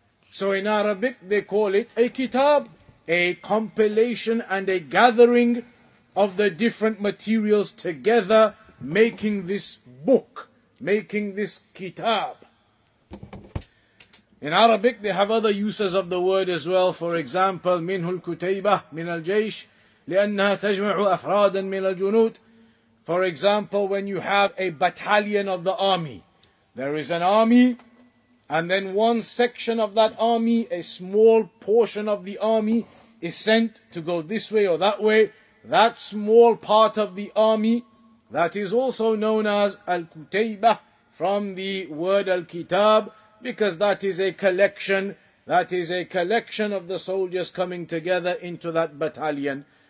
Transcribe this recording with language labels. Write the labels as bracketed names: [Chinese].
[English] So in Arabic, they call it a kitab, a compilation and a gathering of the different materials together, making this book, making this kitab. In Arabic, they have other uses of the word as well. For example, [Arabic] منه الكتيبة من الجيش لأنها تجمع أفرادا من الجنود. [English] For example, when you have a battalion of the army, there is an army, and then one section of that army, a small portion of the army, is sent to go this way or that way. That small part of the army, that is also known as الكتيبة, from the word الكتاب, because that is a collection, that is a collection of the soldiers coming together into that battalion.